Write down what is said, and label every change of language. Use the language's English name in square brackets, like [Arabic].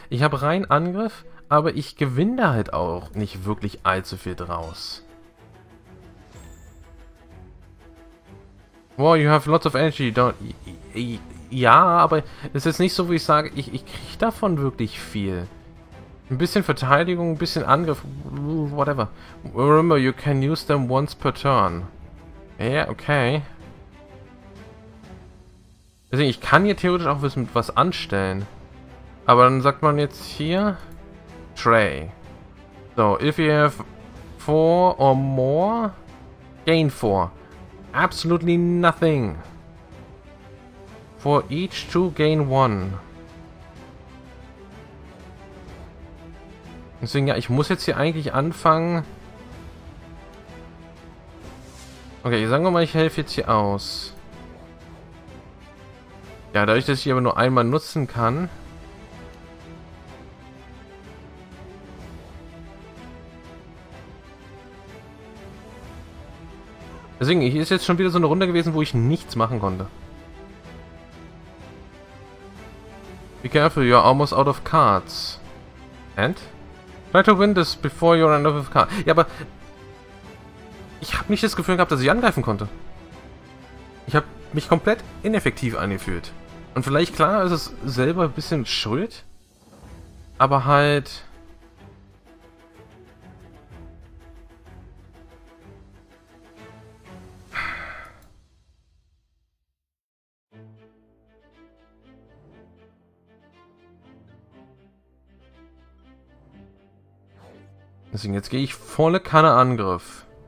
[German] Ich habe rein Angriff, aber ich gewinne da halt auch nicht wirklich allzu viel draus. [English] Wow, you have lots of energy. Don't. [German] Ja, aber es ist nicht so, wie ich sage, ich kriege davon wirklich viel. Ein bisschen Verteidigung, ein bisschen Angriff, whatever. [English] Remember, you can use them once per turn. Yeah, okay. [German] Deswegen, ich kann hier theoretisch auch mit was anstellen. Aber dann sagt man jetzt hier Tray. [English] So, if you have 4 or more, gain 4. Absolutely nothing. For each 2, gain 1. [German] Deswegen, ja, ich muss jetzt hier eigentlich anfangen. Okay, sagen wir mal, ich helfe jetzt hier aus. Ja, dadurch, dass ich aber nur einmal nutzen kann. Deswegen, hier ist jetzt schon wieder so eine Runde gewesen, wo ich nichts machen konnte. [English] Be careful, you're almost out of cards. And? Try to win this before you're out of cards. [German] Ja, aber ich habe nicht das Gefühl gehabt, dass ich angreifen konnte. Ich habe mich komplett ineffektiv angefühlt. Und vielleicht, klar, ist es selber ein bisschen schuld. Aber halt, deswegen, jetzt gehe ich volle Kanne Angriff.